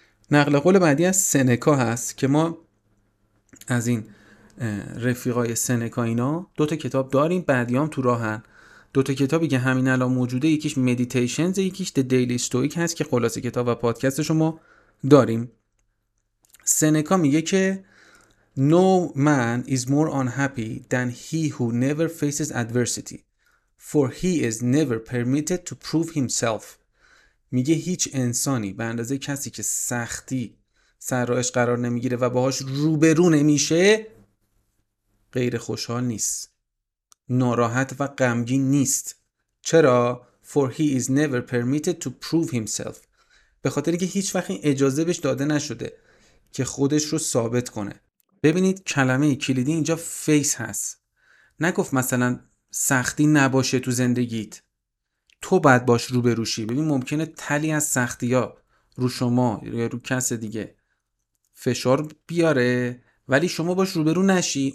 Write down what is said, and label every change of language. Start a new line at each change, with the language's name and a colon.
Persian: نقل قول بعدی از سنکا هست که ما از این رفیقای سنکا اینا دو تا کتاب داریم، بعدی هم تو راهن. دو تا کتابی که همین الان موجوده، یکیش مدیتیشنز، یکیش The Daily Stoic هست که خلاصه کتاب و پادکست شما داریم. سنکا میگه که
English: No man is more unhappy than he who never faces adversity, for he is never permitted to prove himself.
Persian: میگه هیچ انسانی به اندازه کسی که سختی سر راهش قرار نمیگیره و باهاش روبرو نمیشه غیر خوشحال نیست، ناراحت و غمگین نیست. چرا؟
English: For he is never permitted to prove himself.
Persian: به خاطر اینکه هیچ وقت این اجازه بهش داده نشده که خودش رو ثابت کنه. ببینید کلمه کلیدی اینجا face هست. نگفت مثلا سختی نباشه تو زندگیت، تو بعد باش روبروشی. ببین ممکنه تلی از سختی ها رو شما یا رو کس دیگه فشار بیاره، ولی شما باش روبرو نشی.